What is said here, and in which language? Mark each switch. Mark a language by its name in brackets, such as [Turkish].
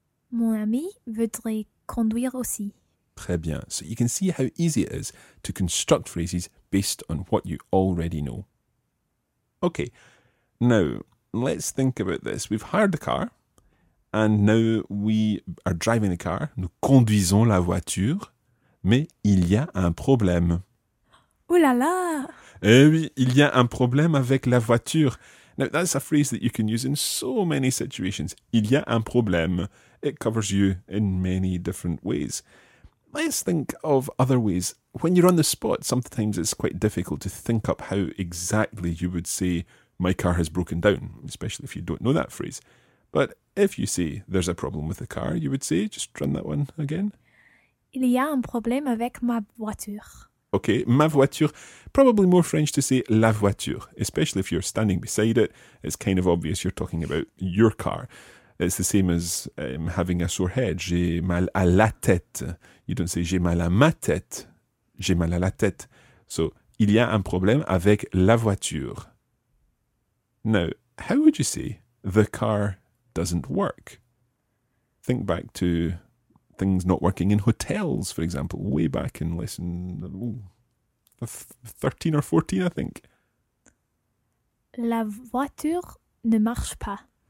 [French] Mon ami voudrait conduire aussi. Très bien. [English] So you can see how easy it is to construct phrases based on what you already know. Okay, now let's think about this. We've hired the car and now we are driving the car. [French] Nous conduisons la voiture, mais il y a un problème. Oh là là! Eh oui, il y a un problème avec la voiture. [English] Now, that's a phrase that you can use in so many situations. [French] Il y a un problème. [English] It covers you in many different ways. Let's think of other ways. When you're on the spot, sometimes it's quite difficult to think up how exactly you would say, my car has broken down, especially if you don't know that phrase. But if you say, there's a problem with the car, you would say, just run that one again. [French] Il y a un problème avec ma voiture. [English] Okay, [French] ma voiture, [English] probably more French to say [French] la voiture, [English] especially if you're standing beside it. It's kind of obvious you're talking about your car. It's the same as having a sore head. [French] J'ai mal à la tête. [English] You don't say [French] j'ai mal à ma tête. J'ai mal à la tête. [English] So, [French] il y a un problème avec la voiture. [English] Now, how would you say the car doesn't work? Think back to things not working in hotels, for example, way back in lesson 13 or 14, I think. [French] La voiture ne marche pas.